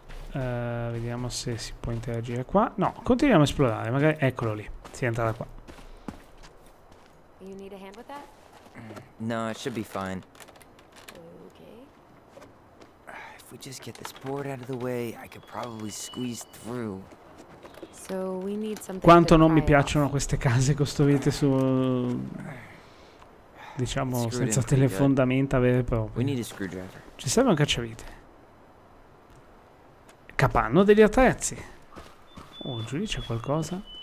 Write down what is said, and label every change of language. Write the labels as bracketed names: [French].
[Italian] Vediamo se si può interagire qua. No, continuiamo a esplorare, magari eccolo lì. Si entra da qua. [English] You need a hand with that? No, it should be fine. Okay. If we just get this board out of the way, I could probably squeeze through. So we need something. [Italian] Quanto non mi piacciono queste case costruite su, diciamo, senza delle fondamenta vere e proprie. Ci serve un cacciavite. Capanno degli attrezzi. Oh, giù lì c'è qualcosa.